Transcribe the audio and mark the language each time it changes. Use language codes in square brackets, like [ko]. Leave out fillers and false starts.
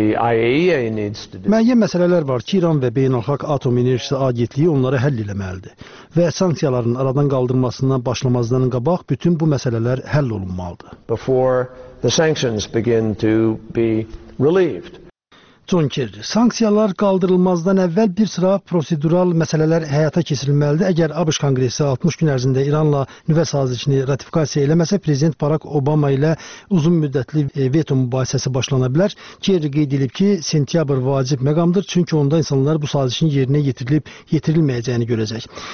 [az] Müəyyən məsələlər var ki, İran və Beynəlxalq Atom Enerjisi Agentliyi onları həll etməlidir. Və sanksiyaların aradan qaldırılmasından başlamazdan qabaq bütün bu məsələlər həll olunmalıdır. [en] The sanctions begin to be relieved. [az] John Kerry, sanksiyalar qaldırılmazdan əvvəl bir sıra prosedural məsələlər həyata keçirilməlidir. Əgər ABŞ Konqresi 60 gün ərzində İranla nüvə sazişini ratifikasiya eləməsə, Prezident Barack Obama ilə uzun müddətli veto mübahisəsi başlana bilər. Kerry qeyd edib ki, sentyabr vacib məqamdır, çünki onda insanlar bu sazişin yerinə yetirilib yetirilməyəcəyini görəcək.